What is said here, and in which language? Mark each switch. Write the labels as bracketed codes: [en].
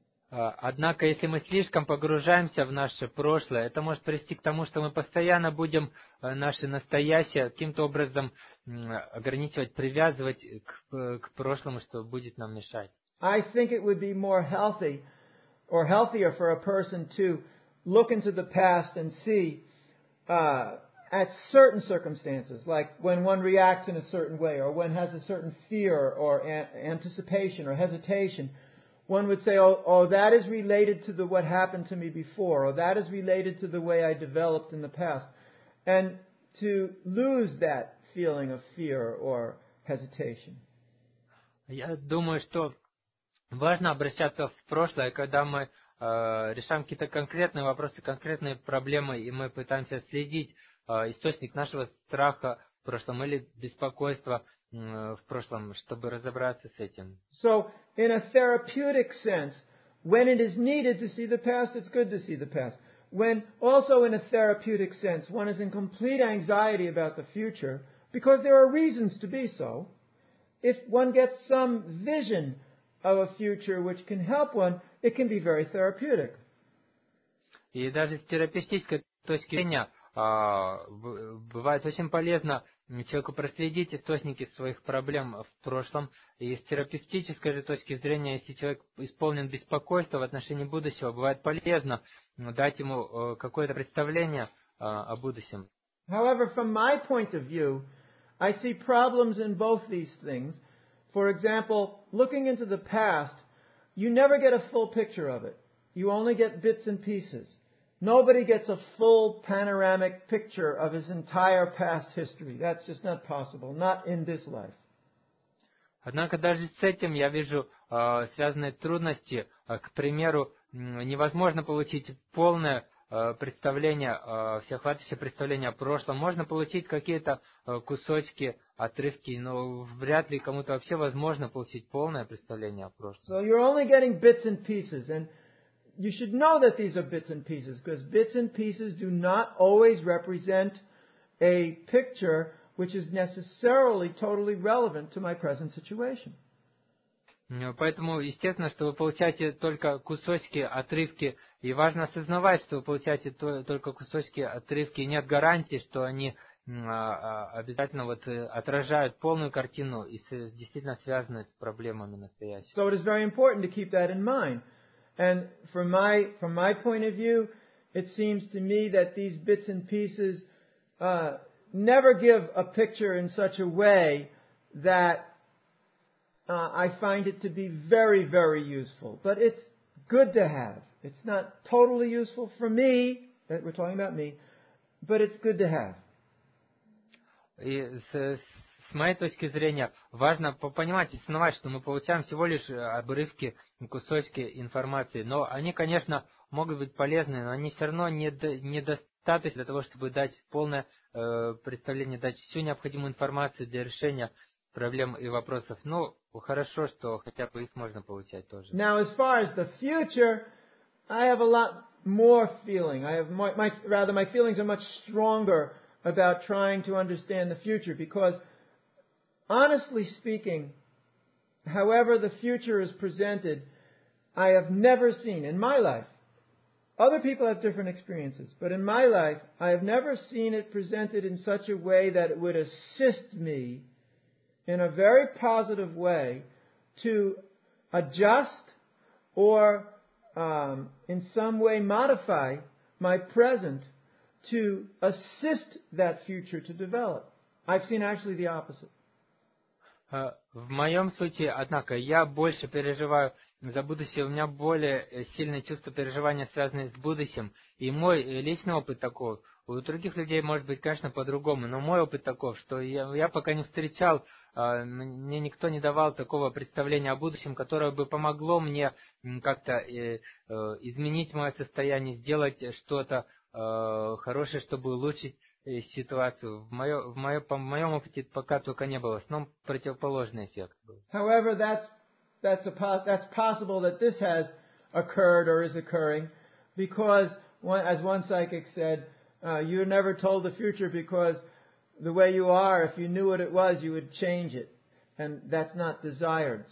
[ru] Однако, если мы слишком погружаемся в наше прошлое, это может привести к тому, что мы постоянно будем наше настоящее каким-то образом ограничивать, привязывать к прошлому, что будет нам мешать. [en] I think it would be more healthy or healthier for a person to look into the past and see at certain circumstances, like when one reacts in a certain way or when has a certain fear or anticipation or hesitation, one would say, oh, that is related to what happened to me before, or that is related to the way I developed in the past. And to lose that feeling of fear or hesitation. [ru] Я думаю, что важно обращаться в прошлое, когда мы решаем какие-то конкретные вопросы, конкретные проблемы, и мы пытаемся следить источник нашего страха в прошлом или беспокойства в прошлом, чтобы разобраться с этим. [en] So, in a therapeutic sense, when it is needed to see the past, it's good to see the past. When also in a therapeutic sense, one is in complete anxiety about the future, because there are reasons to be so, if one gets some vision of a future which can help one, it can be very therapeutic. [ru] И даже с терапевтической точки зрения, бывает очень полезно человеку проследить источники своих проблем в прошлом. И с терапевтической же точки зрения, если человек исполнен беспокойства в отношении будущего, бывает полезно дать ему какое-то представление о будущем. [en] However, from my point of view, I see problems in both these things. For example, looking into the past, you never get a full picture of it. You only get bits and pieces. Nobody gets a full panoramic picture of his entire past history. That's just not possible, not in this life. [ru] Однако даже с этим я вижу связанные трудности. К примеру, невозможно получить полное представление, всеохватывающее представление о прошлом. Можно получить какие-то кусочки, отрывки, но вряд ли кому-то вообще возможно получить полное представление о прошлом. [en] So you're only getting bits and pieces, and you should know that these are bits and pieces, because bits and pieces do not always represent a picture which is necessarily totally relevant to my present situation. [ru] Поэтому, естественно, что вы получаете только кусочки, отрывки, и важно осознавать, что вы получаете только кусочки, отрывки, и нет гарантии, что они обязательно вот отражают полную картину и действительно связаны с проблемами настоящего. [en] So it is very important to keep that in mind. And from my point of view, it seems to me that these bits and pieces never give a picture in such a way that I find it to be very, very useful. But it's good to have. It's not totally useful for me, that we're talking about me, but it's good to have. [ru] И с моей точки зрения, важно понимать и осознавать, что мы получаем всего лишь обрывки, кусочки информации. Но они, конечно, могут быть полезны, но они все равно недостаточны для того, чтобы дать полное представление, дать всю необходимую информацию для решения проблем и вопросов. Ну, хорошо, что хотя бы их можно получать тоже. [en] Now, as far as the future, I have a lot more feeling. I have my feelings are much stronger about trying to understand the future, because, honestly speaking, however the future is presented, I have never seen in my life, other people have different experiences, but in my life, I have never seen it presented in such a way that it would assist me in a very positive way to adjust or in some way modify my present to assist that future to develop. I've seen actually the opposite. [ru] В моем случае, однако, я больше переживаю за будущее, у меня более сильное чувство переживания, связанное с будущим. И мой личный опыт такой, у других людей может быть, конечно, по-другому, но мой опыт таков, что я пока не встречал, мне никто не давал такого представления о будущем, которое бы помогло мне как-то изменить мое состояние, сделать что-то хорошее, чтобы улучшить ситуацию. В моем опыте пока только не было. В основном противоположный эффект был. [en] However, that's possible that this has occurred or is occurring, because as one psychic said, you're never told the future, because the way you are, if you knew what it was, you would change it, and that's not desired.